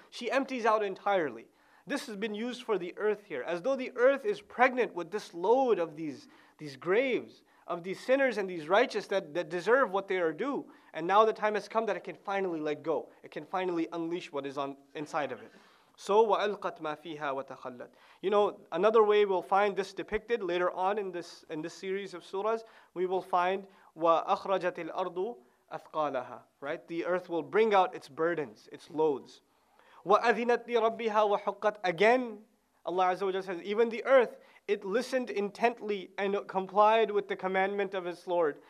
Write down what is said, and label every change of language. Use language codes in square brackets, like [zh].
[en] She empties out entirely. This has been used for the earth here, as though the earth is pregnant with this load of these graves, of these sinners and these righteous that deserve what they are due. And now the time has come that it can finally let go. It can finally unleash what is inside of it. So, [ar] وَأَلْقَتْ مَا فِيهَا وَتَخَلَّتْ. [en] You know, another way we'll find this depicted later on in this series of surahs, we will find [ar] وَأَخْرَجَتِ الْأَرْضُ أَثْقَالَهَا. [en] Right? The earth will bring out its burdens, its loads. [ar] وَأَذِنَتْ لِرَبِّهَا وَحُقَّتْ. [en] Again, Allah Azza wa Jalla says, even the earth, it listened intently and complied with the commandment of its Lord.